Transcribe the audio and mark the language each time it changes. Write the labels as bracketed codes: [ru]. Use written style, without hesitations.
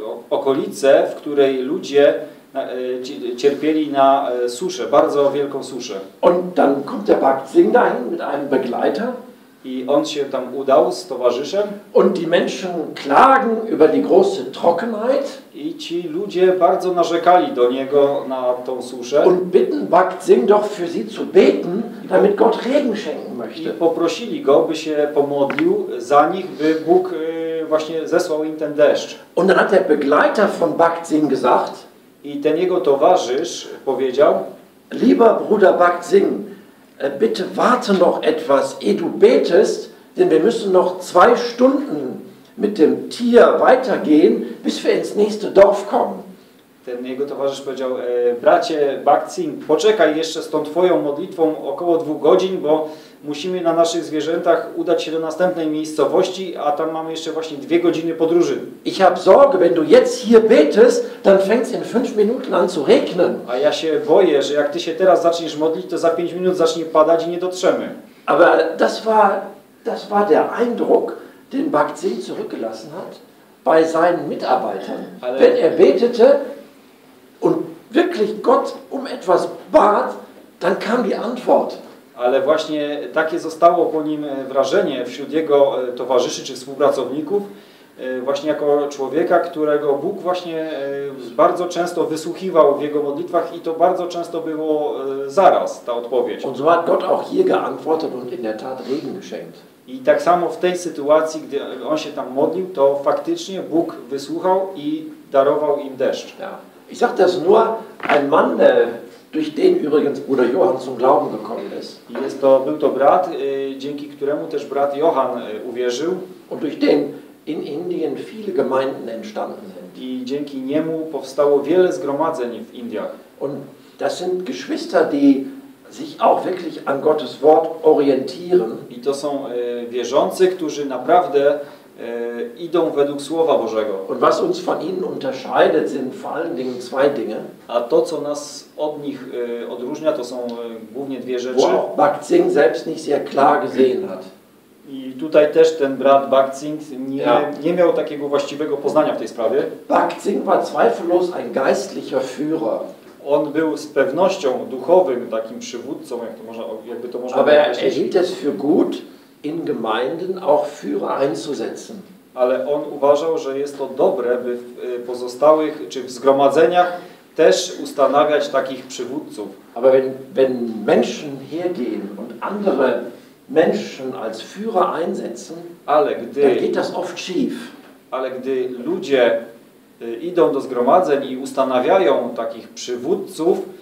[pl] Okolice, w której ludzie cierpieli na suszę, bardzo wielką suszę. [de] Und dann kommt der Bhakt Singh dahin mit einem Begleiter. [pl] I on się tam udał z towarzyszem. [de] Und die Menschen klagen über die große Trockenheit. [pl] I ci ludzie bardzo narzekali do niego na tą suszę. [de] Und bitten Bhakt Singh doch für sie zu beten, damit Gott Regen schenken möchte. [pl] I poprosili go, by się pomodlił za nich, by Bóg właśnie zesłał im ten deszcz. [de] Und dann hat der Begleiter von Bhakt Singh gesagt, [pl] i ten jego towarzysz powiedział: [de] Lieber Bruder Bhakt Singh, bitte warte noch etwas, ehe du betest, denn wir müssen noch zwei Stunden mit dem Tier weitergehen, bis wir ins nächste Dorf kommen. [pl] Ten jego towarzysz powiedział: Bracie Bhakt Singh, poczekaj jeszcze z tą twoją modlitwą około 2 godzin, bo musimy na naszych zwierzętach udać się do następnej miejscowości, a tam mamy jeszcze właśnie 2 godziny podróży. [de] Ich hab Sorge, wenn du jetzt hier betest, dann fängt's in 5 Minuten an zu regnen. [pl] A ja się boję, że jak ty się teraz zaczniesz modlić, to za 5 minut zacznie padać i nie dotrzemy. [de] Aber das war der Eindruck, den Bhakt Singh zurückgelassen hat bei seinen Mitarbeitern. Ale wenn er betete und wirklich Gott um etwas bat, dann kam die Antwort. [pl] Ale właśnie takie zostało po nim wrażenie wśród jego towarzyszy czy współpracowników, właśnie jako człowieka, którego Bóg właśnie bardzo często wysłuchiwał w jego modlitwach i to bardzo często było zaraz ta odpowiedź. [de] Und so hat Gott auch hier geantwortet und in der Tat Regen geschenkt. [pl] I tak samo w tej sytuacji, gdy on się tam modlił, to faktycznie Bóg wysłuchał i darował im deszcz. [de] Ja. Ich sag das nur, ein Mann, durch den übrigens Bruder Johann zum Glauben gekommen ist. [pl] Jest to, był to brat, dzięki któremu też brat Johann uwierzył. [de] Und durch den in Indien viele Gemeinden entstanden sind. [pl] I dzięki niemu powstało wiele zgromadzeń w Indiach. [de] Und das sind Geschwister, die sich auch wirklich an Gottes Wort orientieren. [pl] I to są wierzący, którzy naprawdę idą według Słowa Bożego. [de] Und was uns von ihnen unterscheidet, sind vor allen Dingen 2 Dinge. [pl] A to, co nas od nich odróżnia, to są głównie 2 rzeczy. [de] Wo auch Bhakt Singh selbst nicht sehr klar gesehen hat. [pl] I tutaj też ten brat Bhakt Singh nie miał takiego właściwego poznania w tej sprawie. [de] Bhakt Singh war zweifellos ein geistlicher Führer. [pl] On był z pewnością duchowym takim przywódcą, jakby to można aber określić. [de] Er hielt es für gut, in Gemeinden auch Führer einzusetzen. [pl] Ale on uważał, że jest to dobre, by w pozostałych czy w zgromadzeniach też ustanawiać takich przywódców. [de] Aber wenn Menschen hergehen und andere Menschen als Führer einsetzen, dann geht das oft schief. [pl] Ale gdy ludzie idą do zgromadzeń i ustanawiają takich przywódców,